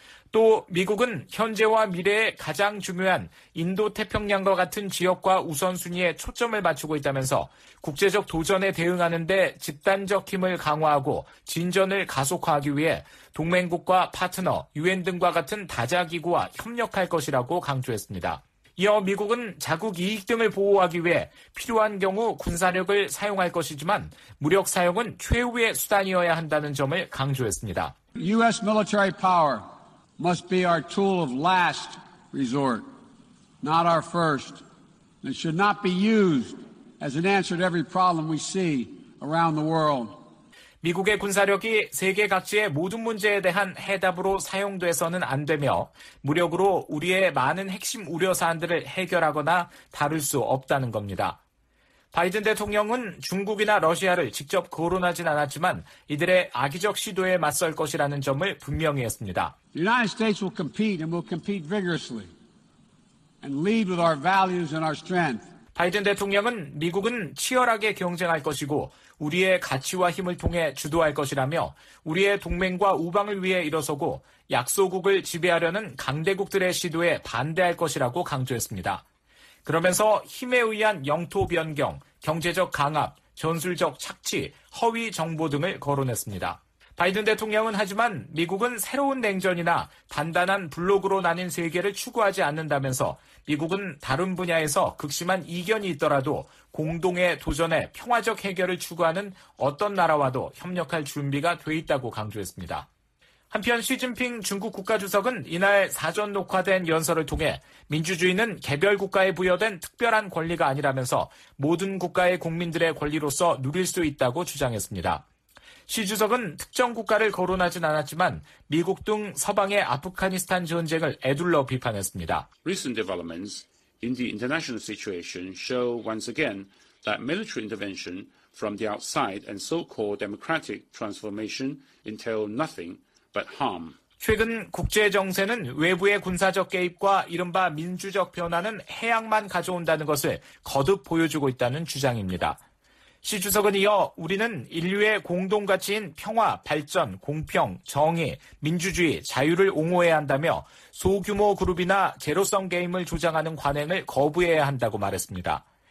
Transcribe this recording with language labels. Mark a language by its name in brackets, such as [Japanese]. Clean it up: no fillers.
[Korean] 또 미국은 현재와 미래에 가장 중요한 인도태평양과 같은 지역과 우선순위에 초점을 맞추고 있다면서 국제적 도전에 대응하는 데 집단적 힘을 강화하고 진전을 가속화하기 위해 동맹국과 파트너, 유엔 등과 같은 다자기구와 협력할 것이라고 강조했습니다. 이어 미국은 자국 이익 등을 보호하기 위해 필요한 경우 군사력을 사용할 것이지만 무력 사용은 최후의 수단이어야 한다는 점을 강조했습니다. [English] U.S. military power must be our tool of last resort, not our first. It should not be used as an answer to every problem we see around the world. [Korean] 미국의 군사력이 세계 각지의 모든 문제에 대한 해답으로 사용돼서는 안 되며 무력으로 우리의 많은 핵심 우려 사안들을 해결하거나 다룰 수 없다는 겁니다. 바이든 대통령은 중국이나 러시아를 직접 거론하진 않았지만 이들의 악의적 시도에 맞설 것이라는 점을 분명히 했습니다. [English] The United States will compete and will compete vigorously and lead with our values and our strength. [Korean] 바이든 대통령은 미국은 치열하게 경쟁할 것이고 우리의 가치와 힘을 통해 주도할 것이라며 우리의 동맹과 우방을 위해 일어서고 약소국을 지배하려는 강대국들의 시도에 반대할 것이라고 강조했습니다. 그러면서 힘에 의한 영토 변경, 경제적 강압, 전술적 착취, 허위 정보 등을 거론했습니다. 바이든 대통령은 하지만 미국은 새로운 냉전이나 단단한 블록으로 나뉜 세계를 추구하지 않는다면서 미국은 다른 분야에서 극심한 이견이 있더라도 공동의 도전에 평화적 해결을 추구하는 어떤 나라와도 협력할 준비가 돼 있다고 강조했습니다. 한편 시진핑 중국 국가주석은 이날 사전 녹화된 연설을 통해 민주주의는 개별 국가에 부여된 특별한 권리가 아니라면서 모든 국가의 국민들의 권리로서 누릴 수 있다고 주장했습니다. 시 주석은 특정 국가를 거론하진 않았지만 미국 등 서방의 아프가니스탄 전쟁을 에둘러 비판했습니다. [English] Recent developments in the international situation show once again that military intervention from the outside and so-called democratic transformation entail nothing but harm. [Korean] 최근 국제 정세는 외부의 군사적 개입과 이른바 민주적 변화는 해악만 가져온다는 것을 거듭 보여주고 있다는 주장입니다. 시 주석은 이어 우리는 인류의 공동가치인 평화, 발전, 공평, 정의, 민주주의, 자유를 옹호해야 한다며 소규모 그룹이나 제로섬 게임을 조장하는 관행을 거부해야 한다고 말했습니다.